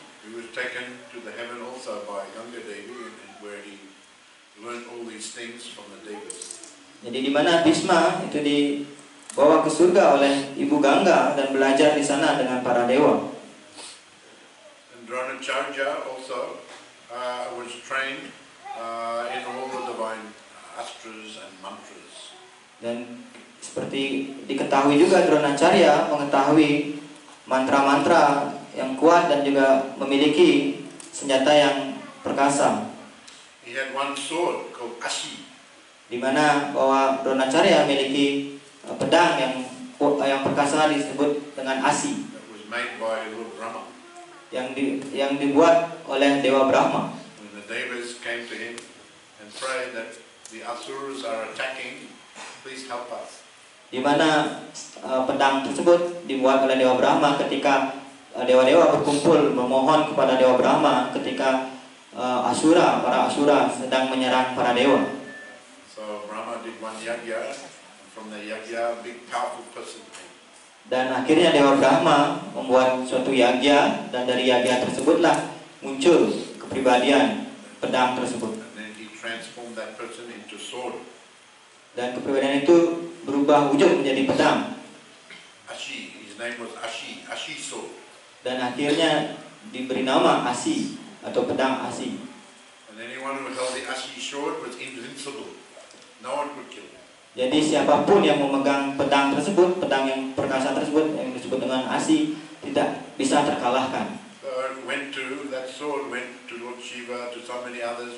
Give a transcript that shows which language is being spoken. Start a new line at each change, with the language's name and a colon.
English: He was taken to the heaven also by Ganga Devi, and where he learned all these things from the devas.
Indonesian: Jadi di mana Bhishma itu di bawa ke surga oleh Ibu Gangga dan belajar di sana dengan para dewa.
English: And Dronacharya also was trained in all the divine astras and mantras.
Indonesian: Dan seperti diketahui juga, Dronacharya mengetahui mantra-mantra yang kuat dan juga memiliki senjata yang perkasa.
English: He had one sword called Asi.
Indonesian: Di mana bahwa Dronacharya memiliki pedang yang perkasa disebut dengan Asi.
English: That was made by Lord Brahma.
Indonesian: yang dibuat oleh Dewa Brahma.
English: When the devas came to him and prayed that the asuras are attacking, please help us.
Indonesian: Di mana pedang tersebut dibuat oleh Dewa Brahma ketika dewa-dewa berkumpul memohon kepada Dewa Brahma ketika asura, para asura sedang menyerang para dewa.
English: So Brahma did one yagya, from the yagya big powerful person.
Indonesian: Dan akhirnya Dewa Brahma membuat suatu yagya, dan dari yagya tersebutlah muncul kepribadian pedang tersebut.
English: And then he transformed that person into sword.
Indonesian: Dan kepribadian itu berubah wujud menjadi pedang.
English: Ashi, his name was Ashi, Ashi sword.
Indonesian: Dan akhirnya diberi nama Ashi atau pedang Ashi.
English: And anyone who held the Ashi sword was invincible. No one could kill him.
Indonesian: Jadi siapapun yang memegang pedang tersebut, pedang yang perkasa tersebut yang disebut dengan Ashi, tidak bisa terkalahkan.
English: That sword went to Lord Shiva, to so many others.